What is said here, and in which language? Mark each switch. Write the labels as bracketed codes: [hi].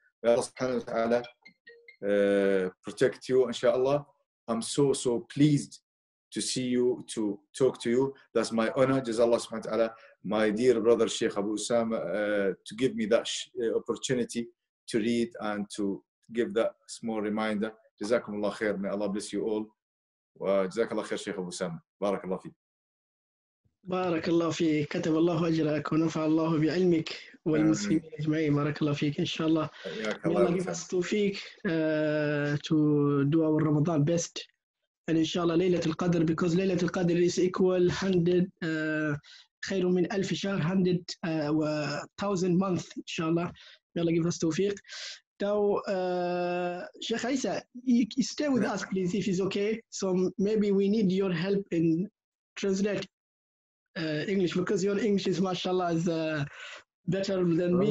[en] Allah subhanahu wa ta'ala protect you, inshallah. I'm so pleased to see you, to talk to you. That's my honor. Jazallah subhanahu wa ta'ala, my dear brother Sheikh Abu Usama, to give me that opportunity to read and to give that small reminder. [ar] جزاكم الله خير. [en] May Allah bless you all. [ar] وجزاك الله خير شيخ أبو سامة. بارك الله فيك. بارك الله فيك. كتب الله أجرك ونفع الله بعلمك والمسلمين أجمعين. بارك الله فيك. إن شاء الله. [en] May Allah give us توفيق to do our Ramadan best. [ar] And إن شاء الله ليلة القدر, because ليلة القدر [en] is equal [ar] 100 خير من ألف شهر, 100 و 1000 month إن شاء الله. [en] May Allah give us توفيق. Now, Sheikh Isa, stay with us, please, if it's okay. So maybe we need your help in translate English, because your English is, mashallah, is better than me.